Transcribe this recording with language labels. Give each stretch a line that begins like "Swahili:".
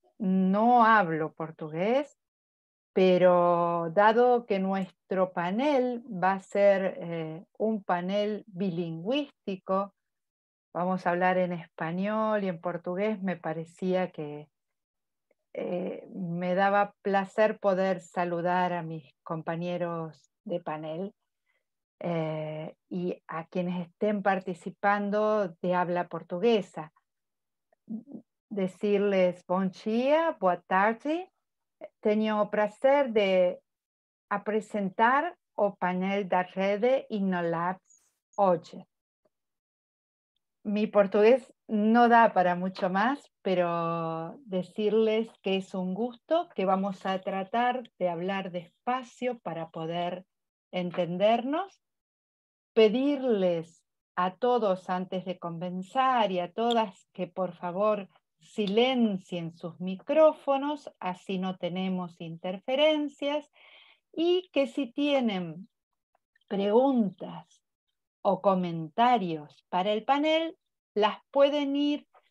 Spanish: No hablo portugués, pero dado que nuestro panel va a ser un panel bilingüístico, vamos a hablar en español y en portugués, me parecía que me daba placer poder saludar a mis compañeros de panel y a quienes estén participando de habla portuguesa. Decirles
Portuguese: bom dia, boa tarde. Tenho o prazer de apresentar o panel da rede InnoLabs hoje.
Spanish: Mi portugués no da para mucho más, pero decirles que es un gusto, que vamos a tratar de hablar despacio para poder entendernos. Pedirles a todos antes de comenzar y a todas que por favor silencien sus micrófonos, así no tenemos interferencias, y que si tienen preguntas o comentarios para el panel, las pueden ir